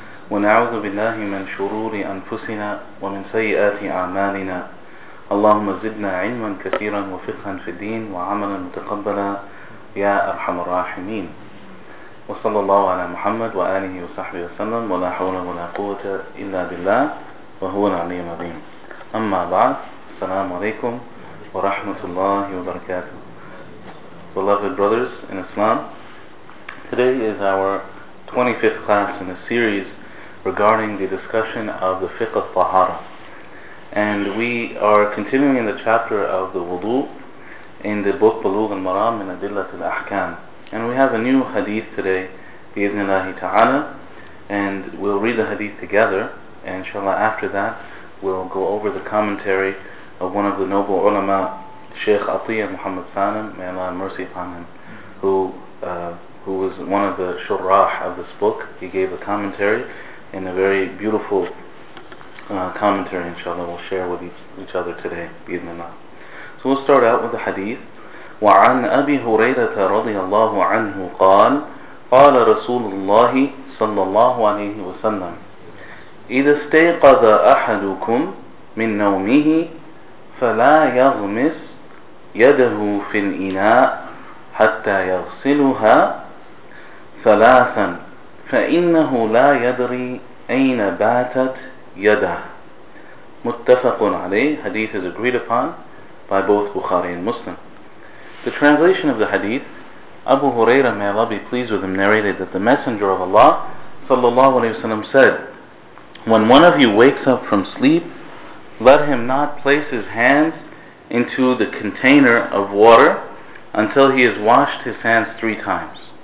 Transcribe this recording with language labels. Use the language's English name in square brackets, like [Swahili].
[Arabic] ونعوذ بالله من شرور أنفسنا ومن سيئات أعمالنا. اللهم زدنا علما كثيرا وفقها في الدين وعملا متقبلا يا أرحم الراحمين. وصلى الله على محمد وآله وصحبه وسلم، ولا حول ولا قوة إلا بالله وهو العلي العظيم. أما بعد، Assalamu alaikum wa rahmatullahi wa barakatuh. [English] Beloved brothers in Islam, today is our 25th class in a series regarding the discussion of the fiqh of tahara. And we are continuing in the chapter of the wudu in the book Bulugh al-Maram min Adillat al-Ahkam. And we have a new hadith today, bi-idhnillahi ta'ala. And we'll read the hadith together. And inshallah, after that, we'll go over the commentary of one of the noble ulama, Shaykh Atiyah Muhammad Salim, may Allah have mercy upon him, who was one of the shurrah of this book. He gave a commentary, and a very beautiful commentary, inshallah, we'll share with each other today, bi-idhnillah. So we'll start out with the hadith. [Arabic] وَعَنْ أَبِي هُرَيْرَةَ رَضِيَ اللَّهُ عَنْهُ قَالَ رَسُولُ اللَّهِ صَلَّى اللَّهُ عَلَيْهِ وَسَلَّمْ إِذَا اسْتَيْقَظَ أَحَدُكُمْ مِنْ نَوْمِهِ فلا يغمس يده في الإناء حتى يغسلها ثلاثا فإنه لا يدري أين باتت يده. متفق عليه. [English] Hadith is agreed upon by both Bukhari and Muslim. The translation of the hadith, Abu Huraira, may Allah be pleased with him, narrated that the Messenger of Allah sallallahu alayhi wa sallam said, when one of you wakes up from sleep, let him not place his hands into the container of water until he has washed his hands three times.